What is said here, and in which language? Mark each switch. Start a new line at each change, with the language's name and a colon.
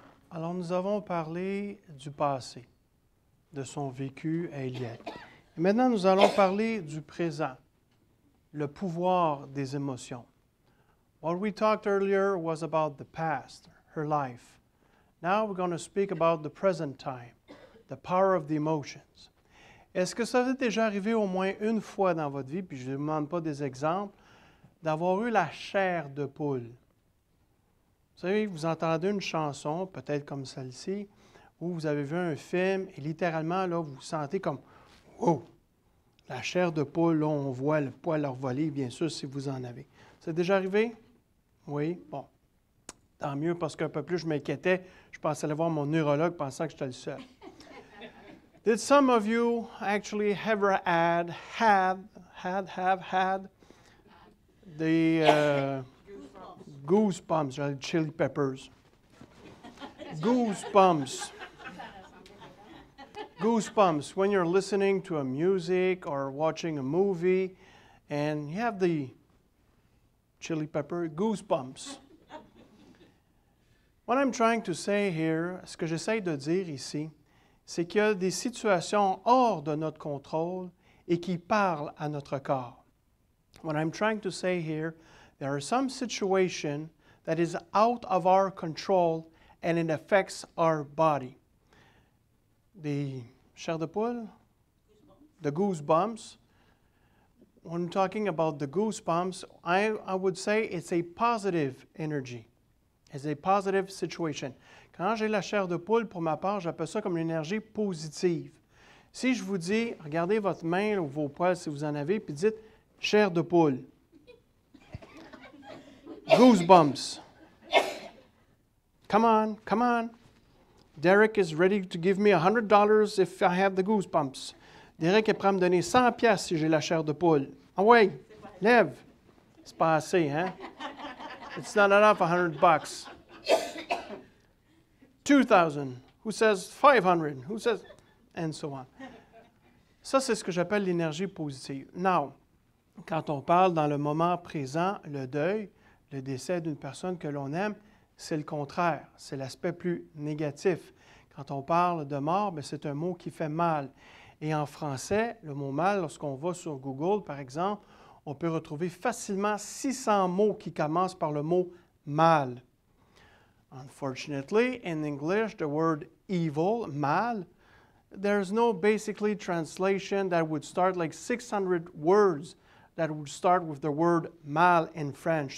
French: Alors, nous avons parlé du passé, de son vécu à Eliette. Et maintenant, nous allons parler du présent, le pouvoir des émotions.
English: What we talked earlier was about the past, her life. Now we're going to speak about the present time, the power of the emotions.
French: Est-ce que ça vous est déjà arrivé au moins une fois dans votre vie, puis je ne vous demande pas des exemples, d'avoir eu la chair de poule? Vous savez, vous entendez une chanson, peut-être comme celle-ci, ou vous avez vu un film, et littéralement, là, vous sentez comme « Wow! » La chair de poule, là, on voit le poil leur voler, bien sûr, si vous en avez. C'est déjà arrivé? Oui? Bon. Tant mieux, parce qu'un peu plus, je m'inquiétais. Je pensais aller voir mon neurologue, pensant que j'étais le seul.
English: Did some of you actually ever had the... Goosebumps, chili peppers. Goosebumps. Goosebumps, when you're listening to a music or watching a movie and you have the chili pepper, goosebumps. What I'm trying to say here,
French: ce que j'essaie de dire ici, c'est qu'il y a des situations hors de notre contrôle et qui parlent à notre corps.
English: What I'm trying to say here, there are some situations that is out of our control and it affects our body. The
French: chair de poule?
English: The goosebumps. When talking about the goosebumps, I would say it's a positive energy. It's a positive situation.
French: Quand j'ai la chair de poule, pour ma part, j'appelle ça comme une énergie positive. Si je vous dis, regardez votre main ou vos poils si vous en avez, puis dites chair de poule.
English: Goosebumps. Come on. Derek is ready to give me $100 if I have the goosebumps.
French: Derek est prêt à me donner 100 piastres si j'ai la chair de poule. Ah oui, lève. C'est pas assez, hein?
English: It's not enough, $100. 2,000. Who says 500? Who says... And so on.
French: Ça, c'est ce que j'appelle l'énergie positive. Now, quand on parle dans le moment présent, le deuil, le décès d'une personne que l'on aime, c'est le contraire, c'est l'aspect plus négatif. Quand on parle de mort, bien, c'est un mot qui fait mal. Et en français, le mot mal, lorsqu'on va sur Google, par exemple, on peut retrouver facilement 600 mots qui commencent par le mot mal.
English: Unfortunately, in English, the word evil, mal, there's no basically translation that would start like 600 words that would start with the word mal in French.